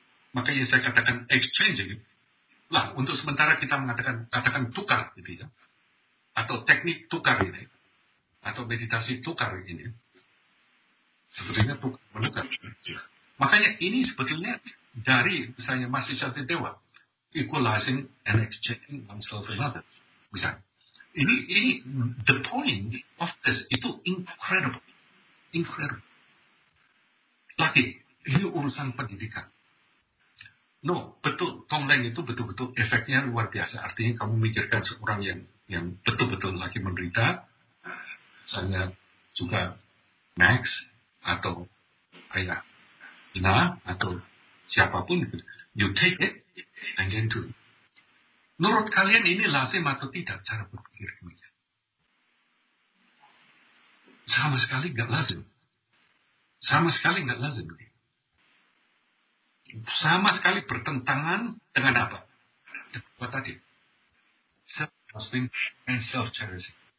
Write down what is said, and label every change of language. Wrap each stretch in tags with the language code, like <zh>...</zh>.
<id>Makanya saya katakan exchanging. Lah, untuk sementara kita mengatakan katakan tukar gitu ya. Atau teknik tukar ini. Atau meditasi tukar ini. Sebetulnya tukar menukar. Makanya ini sebetulnya dari misalnya masih satu dewa.</id> <en>Equalizing and exchanging oneself and others.</en> <id>Misalnya. Ini</id> <en>the point of this itu incredible.</en> <id>Lagi, ini urusan pendidikan. No, betul. Tong Leng itu betul-betul efeknya luar biasa. Artinya kamu mikirkan seorang yang betul-betul lagi menderita, misalnya juga Max atau ayah, nah atau siapapun,</id> <en>you take it and then do.</en> <id>Menurut kalian ini lazim atau tidak cara berpikir ini? Sama sekali nggak lazim. Sama sekali nggak lazim. Sama sekali bertentangan dengan apa? Apa tadi?</id> <en>Self-trusting and self-cherishing.</en>